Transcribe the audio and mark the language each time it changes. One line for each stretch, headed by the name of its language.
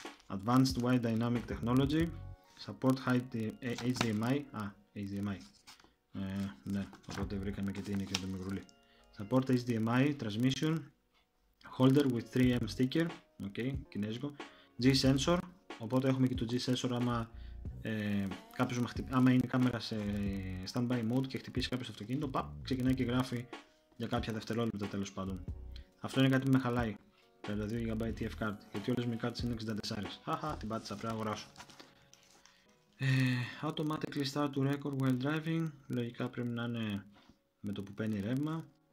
English: Advanced Wide Dynamic Technology Support High HDMI HDMI
Greek: ναι, οπότε βρήκαμε και τι είναι και το μικρούλι.
English: Support HDMI transmission holder with 3M sticker.
Greek: Ok, κινέζικο. G sensor. Οπότε έχουμε και το G sensor. Άμα, κάποιος με χτυπ... άμα είναι η κάμερα σε standby mode και χτυπήσει κάποιο το αυτοκίνητο, παπ, ξεκινάει και γράφει για κάποια δευτερόλεπτα τέλος πάντων. Αυτό είναι κάτι που με χαλάει.
English: 32 GB TF card.
Greek: Γιατί όλες μου οι κάρτες είναι 64. Χαχα, την πάτησα. Πρέπει να αγοράσω.
English: Automatically start to record while driving.
Greek: Λογικά πρέπει να είναι με το που παίρνει ρεύμα.